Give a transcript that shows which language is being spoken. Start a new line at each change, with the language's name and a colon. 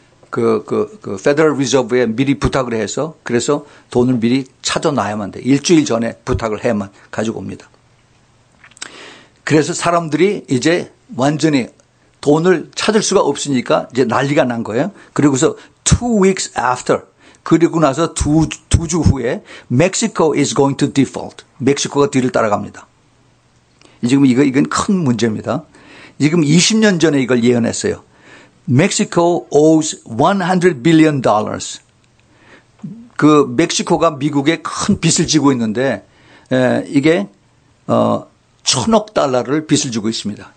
Korean: 그 Federal Reserve에 미리 부탁을 해서 그래서 돈을 미리 찾아놔야만 돼. 일주일 전에 부탁을 해야만 가지고 옵니다. 그래서 사람들이 이제 완전히 돈을 찾을 수가 없으니까 이제 난리가 난 거예요. 그리고서
English: two weeks after
Korean: 그리고 나서 두 주 후에
English: Mexico is going to default.
Korean: 멕시코가 뒤를 따라갑니다. 지금 이건 큰 문제입니다. 지금 20년 전에 이걸 예언했어요.
English: Mexico owes $100 billion.
Korean: 그 멕시코가 미국에 큰 빚을 지고 있는데 이게 천억 달러를 빚을 지고 있습니다.